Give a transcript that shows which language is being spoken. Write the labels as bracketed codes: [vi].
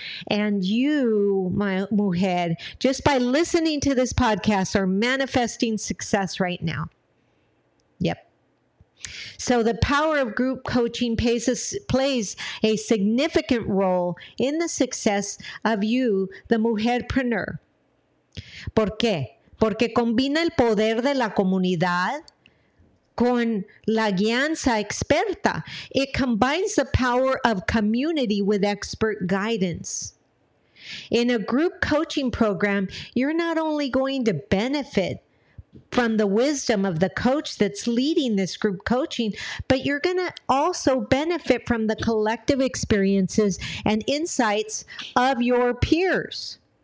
[en] And you, my mujer, just by listening to this podcast, are manifesting success right now. Yep. So the power of group coaching plays a significant role in the success of you, the mujerpreneur. [es] ¿Por qué? Porque combina el poder de la comunidad con la guianza experta. [en] It combines the power of community with expert guidance. In a group coaching program, you're not only going to benefit from the wisdom of the coach that's leading this group coaching, but you're going to also benefit from the collective experiences and insights of your peers.